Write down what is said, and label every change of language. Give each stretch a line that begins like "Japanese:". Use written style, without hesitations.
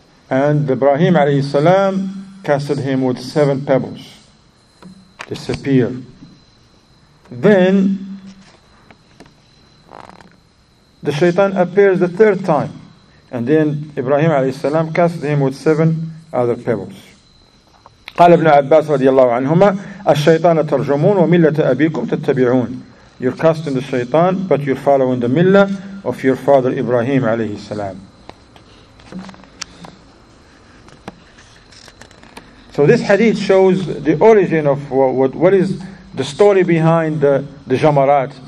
English: And Ibrahim عليه السلام casted him with seven pebbles. Disappear. Then the shaitan appears the third time, and then Ibrahim alayhi salam casts him with seven other pebbles.
Arabic: قال ابن عباس رضي الله عنهما الشيطان ترجمون وملة أبيكم تتبعون.
English: You're casting the shaitan, but you're following the millah of your father Ibrahim عليه السلام. So this hadith shows the origin of what is the story behind the jamarat.